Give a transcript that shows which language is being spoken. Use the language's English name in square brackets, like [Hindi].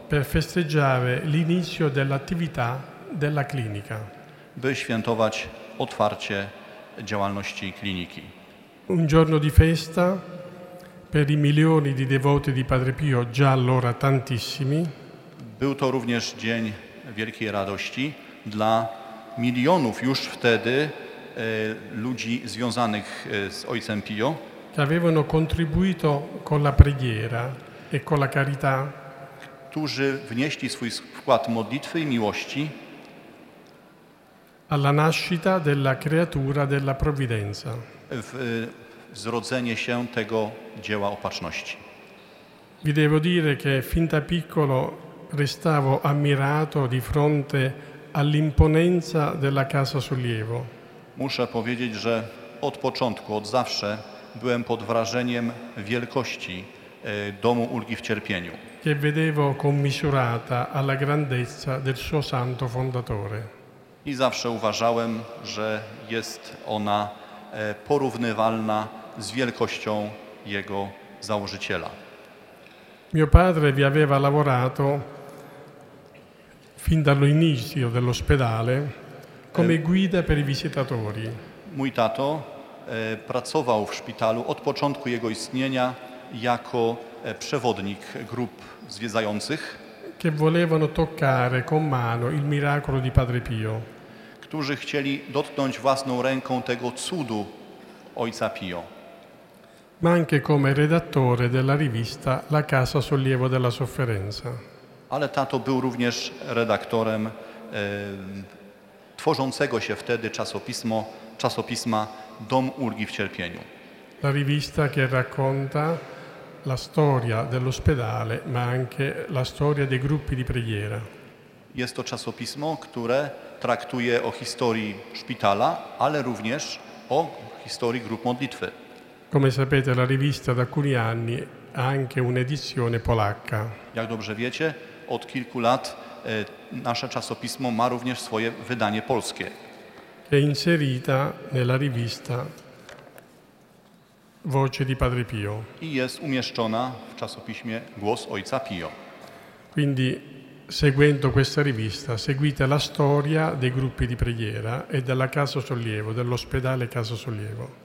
[Italian] Per festeggiare l'inizio dell'attività della clinica. [Polish] By świętować otwarcie działalności kliniki. [Italian] Un giorno di festa per i milioni di devoti di Padre Pio, già allora tantissimi. [Polish] Był to również dzień wielkiej radości dla milionów już wtedy ludzi związanych z ojcem Pio, [Italian] che avevano contribuito con la preghiera e con la carità, [Polish] którzy wnieśli swój wkład modlitwy i miłości [Italian] alla nascita della creatura della provvidenza. [Polish] Zrodzenie się tego dzieła opatrzności. [Italian] Vi devo dire che fin da piccolo restavo ammirato di fronte all'imponenza della Casa Sollievo. [Polish] Muszę powiedzieć, że od początku, od zawsze byłem pod wrażeniem wielkości Domu Ulgi w Cierpieniu. [Italian] Che vedevo commisurata alla grandezza del suo santo fondatore. [Polish] I zawsze uważałem, że jest ona porównywalna z wielkością jego założyciela. [Italian] Mio padre vi aveva lavorato fin dall'inizio dell'ospedale come guida per i visitatori. [Polish] Mój tato pracował w szpitalu od początku jego istnienia jako przewodnik grup zwiedzających, [Italian] che volevano toccare con mano il miracolo di Padre Pio. [Polish] Którzy chcieli dotknąć własną ręką tego cudu ojca Pio. [Italian] Ma anche come redattore della rivista La Casa Sollievo della Sofferenza. [Polish] Ale tato był również redaktorem tworzącego się wtedy czasopisma Dom Ulgi w Cierpieniu. [Italian] La rivista che racconta la storia dell'ospedale, ma anche la storia dei gruppi di preghiera. [Polish] Jest to czasopismo, które traktuje o historii szpitala, ale również o historii grup modlitwy. [Italian] Come sapete, la rivista da alcuni anni ha anche un'edizione polacca. [Polish] Jak dobrze wiecie, od kilku lat nasze czasopismo ma również swoje wydanie polskie. [Italian] È inserita nella rivista Voce di Padre Pio. [Polish] I jest umieszczona w czasopiśmie Głos Ojca Pio. [Italian] Quindi, seguendo questa rivista, seguite la storia dei gruppi di preghiera e della Casa Sollievo, dell'ospedale Casa Sollievo.